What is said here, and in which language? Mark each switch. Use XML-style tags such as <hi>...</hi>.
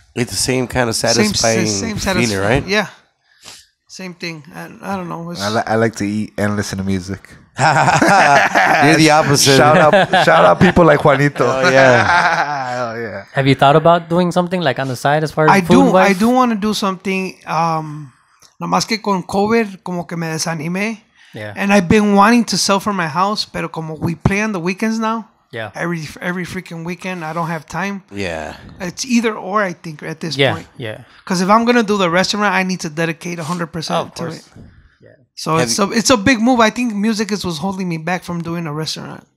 <en>It's the same kind of satisfying feeling, right? Yeah. Same thing. I don't know. I like to eat and listen to music. You're the opposite. Shout out people like Juanito. Have you thought about doing something like on the side as far as food? I do want to do something.</en> <es>Nomás que con COVID, como que me desanimé.</es> <en>Yeah. And I've been wanting to sell for my house,</en> <es>pero como</es> <en>we play on the weekends now. Yeah. Every freaking weekend, I don't have time. Yeah. It's either or, I think, at this point. Yeah. Because if I'm going to do the restaurant, I need to dedicate 100% to it. So it's a big move. I think music is what's holding me back from doing a restaurant.</en>